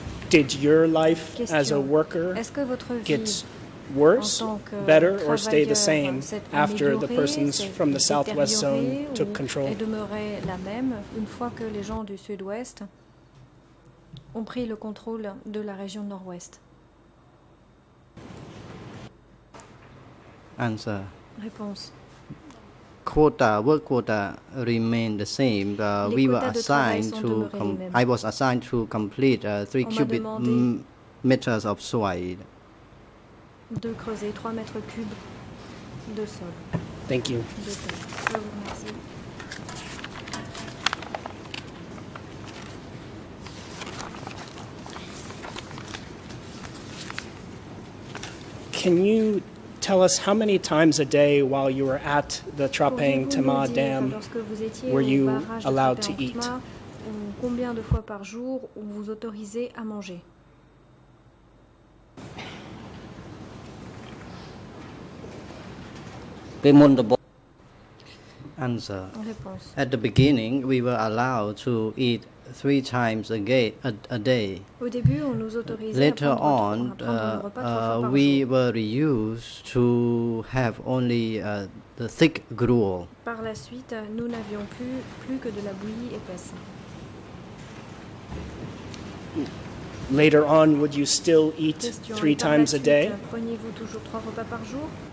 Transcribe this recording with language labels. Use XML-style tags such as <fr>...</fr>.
<en>Did your life as a worker get worse, better, or stay the same after the persons from the southwest zone took control?</en> <fr>Est demeurée la même une fois que les gens du sud-ouest ont pris le contrôle de la région nord-ouest.</fr> <en>Answer.</en> <fr>Réponse.</fr> <en>Quota, work quota remained the same. We were assigned to. I was assigned to complete 3 cubic meters of soil.</en> <fr>De creuser 3 mètres cubes de sol.</fr> <en>Thank you.</en> <fr>Je vous remercie.</fr> <en>Can you tell us how many times a day while you were at the Trapang Tama Dam were you allowed to eat?</en> <fr>Combien de fois par jour vous autorisez à manger?</fr> <en>Answer. At the beginning, we were allowed to eat 3 times a day. Later on, we were reduced to have only the thick gruel.</en> <fr>Par la suite, nous n'avions plus que de la bouillie épaisse.</fr> <en>Later on, would you still eat 3 times a day?</en> <fr>Preniez-vous toujours 3 repas par jour?</fr>